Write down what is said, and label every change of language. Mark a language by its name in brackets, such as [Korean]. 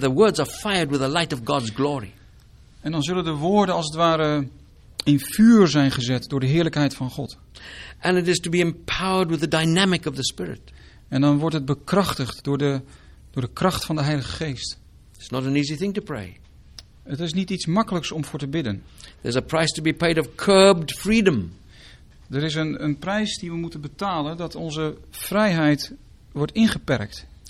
[English] The words are fired with the light of God's glory. [Dutch] En dan zullen de woorden als het ware in vuur zijn gezet door de heerlijkheid van God. [English] And it is to be empowered with the dynamic of the Spirit. [Dutch] En dan wordt het bekrachtigd door de kracht van de Heilige Geest. [English] It's not an easy thing to pray. [Dutch] Het is niet iets makkelijks om voor te bidden. [English] There's a price to be paid of curbed freedom. [Dutch] Er is een prijs die we moeten betalen dat onze vrijheid wordt ingeperkt.